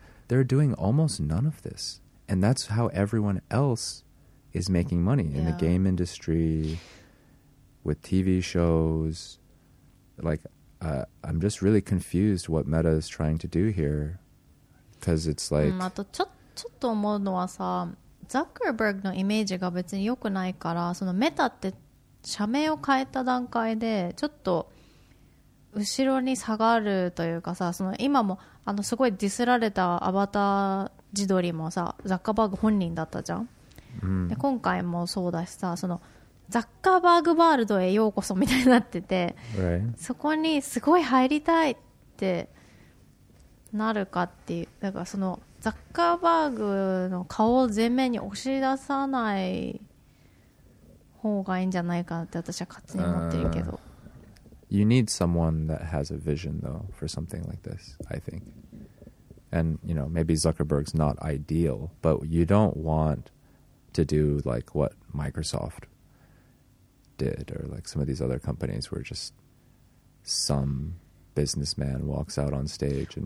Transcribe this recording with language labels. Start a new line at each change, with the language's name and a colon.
English: They're doing almost none of this. And that's how everyone else is making money in the game industry, with TV shows. Like, I'm just really confused what Meta is trying to do here. Because it's like...
Japanese: あとちょっと思うのはさ、ザッカーバーグのイメージが別に良くないから、そのメタって社名を変えた段階で、ちょっと後ろに下がるというかさ、その今もあのすごいディスられたアバター自撮りもさ、ザッカーバーグ本人だったじゃん。で今回もそうだしさ、そのザッカーバーグワールドへようこそみたいになってて、
English: right.
Japanese: そこにすごい入りたいってなるかっていう、だからそのザッカーバーグの顔を前面に押し出さない方がいいんじゃないかなって私は勝手に思ってるけど、
English: You need someone that has a vision though for something like this, I think. And you know, maybe Zuckerberg's not ideal, but you don't want to do like what Microsoft did or like some of these other companies where just some businessman walks out on stage and,